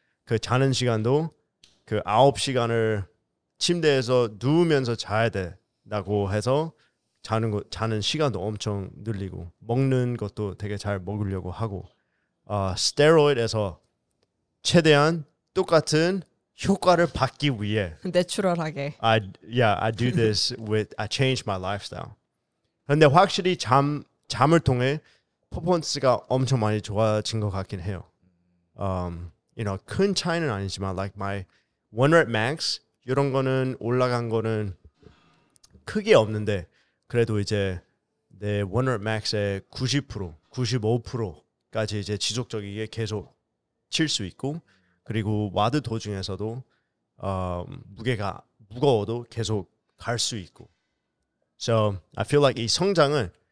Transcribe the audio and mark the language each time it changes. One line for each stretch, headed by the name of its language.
Korean: 그 자는 시간도 그 9시간을 침대에서 누우면서 자야 돼라고 해서 자는 거 자는 시간도 엄청 늘리고 먹는 것도 되게 잘 먹으려고 하고 스테로이드에서 최대한 똑같은 효과를 받기 위해 내추럴하게
English: I do this with I change my lifestyle.
Korean: 근데 확실히 잠을 통해 퍼포먼스가 엄청 많이 좋아진 것 같긴 해요.
English: You know,
Korean: 큰 차이는 아니지만
English: like my one rep max
Korean: 이런 거는 올라간 거는 크게 없는데 그래도 이제 내 one rep max의 90% 95%까지 이제 지속적이게 계속 칠 수 있고 그리고 와드 도중에서도 무게가 무거워도 계속 갈 수 있고
English: so I feel like
Korean: 이 성장은